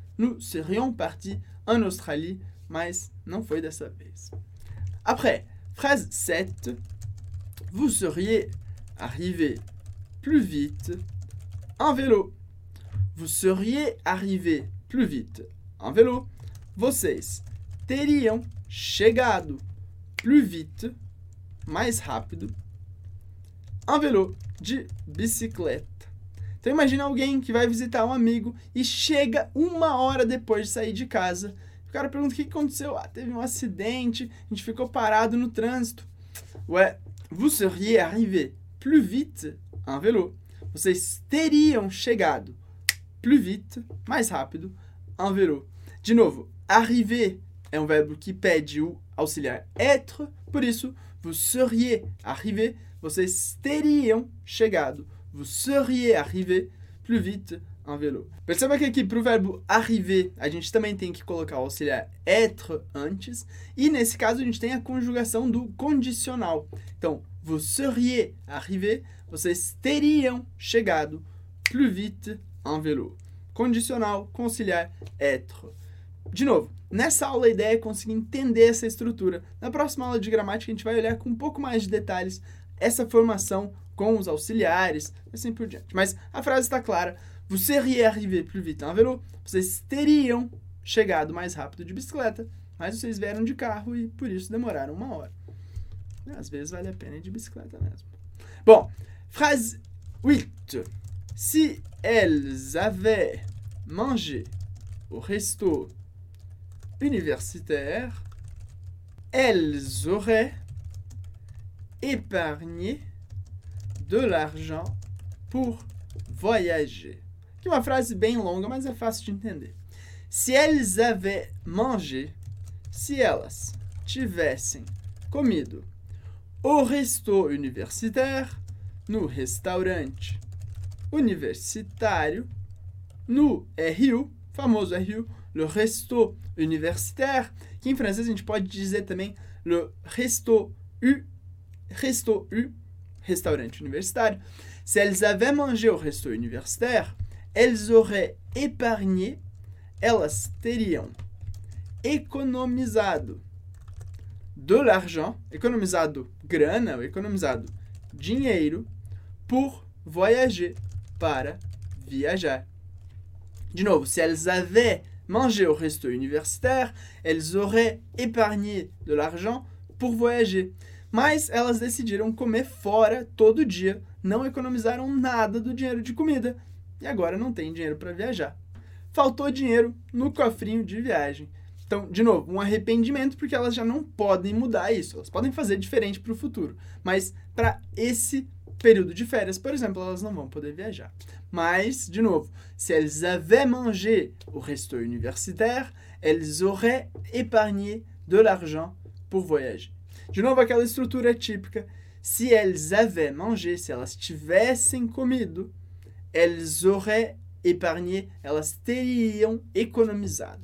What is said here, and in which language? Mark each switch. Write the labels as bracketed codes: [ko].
[fr] Nous serions partis en Australie, [pt] mas não foi dessa vez. [fr] Après, phrase 7. Vous seriez arrivé plus vite en vélo. Vous seriez arrivé plus vite en vélo. [pt] Vocês teriam chegado [fr] plus vite, [pt] mais rápido, [fr] en vélo, [pt] de bicicleta. Então imagina alguém que vai visitar um amigo e chega uma hora depois de sair de casa. O cara pergunta o que aconteceu. Ah, teve um acidente, a gente ficou parado no trânsito. [fr] Ué, vous seriez arrivé plus vite en vélo. [pt] Vocês teriam chegado [fr] plus vite, [pt] mais rápido, [fr] en vélo. [pt] De novo, arriver é um verbo que pede o auxiliar être, por isso, [fr] vous seriez arrivé, [pt] vocês teriam chegado. [fr] Vous seriez arrivé plus vite en vélo. [pt] Perceba que aqui, para o verbo arriver, a gente também tem que colocar o auxiliar être antes. E nesse caso, a gente tem a conjugação do condicional. Então, [fr] vous seriez arrivé, [pt] vocês teriam chegado [fr] plus vite en vélo. [pt] Condicional com auxiliar être. De novo, nessa aula a ideia é conseguir entender essa estrutura. Na próxima aula de gramática a gente vai olhar com um pouco mais de detalhes essa formação com os auxiliares e assim por diante. Mas a frase está clara. [fr] Vous seriez arrivé plus vite en vélo. [pt] Vocês teriam chegado mais rápido de bicicleta, mas vocês vieram de carro e por isso demoraram uma hora. Às vezes vale a pena ir de bicicleta mesmo. Bom, frase 8. [fr] Si elles avaient mangé au resto universitaire, elles auraient épargné de l'argent pour voyager. [pt] Aqui uma frase bem longa, mas é fácil de entender. [fr] Si elles avaient mangé, [pt] se elas tivessem comido [fr] au resto universitaire, [pt] no restaurante universitário, no RU, famoso RU, [fr] le resto universitaire, [pt] que em francês a gente pode dizer também [fr] le resto U, [pt] restaurante universitário. [fr] Si elles avaient mangé au resto universitaire, elles auraient épargné, [pt] elas teriam economizado [fr] de l'argent, [pt] economizado grana, ou economizado dinheiro, [fr] pour voyager, [pt] para viajar. De novo, [fr] si elles avaient mangé au resto universitaire, elles auraient épargné de l'argent pour voyager. [pt] Mas elas decidiram comer fora todo dia, não economizaram nada do dinheiro de comida e agora não tem dinheiro para viajar. Faltou dinheiro no cofrinho de viagem. Então, de novo, um arrependimento porque elas já não podem mudar isso. Elas podem fazer diferente para o futuro, mas para esse período de férias, por exemplo, elas não vão poder viajar. Mas, de novo, [fr] si elles avaient mangé au resto universitaire, elles auraient épargné de l'argent pour voyager. [pt] De novo, aquela estrutura típica. [fr] Si elles avaient mangé, [pt] se elas tivessem comido, [fr] elles auraient épargné, [pt] elas teriam economizado.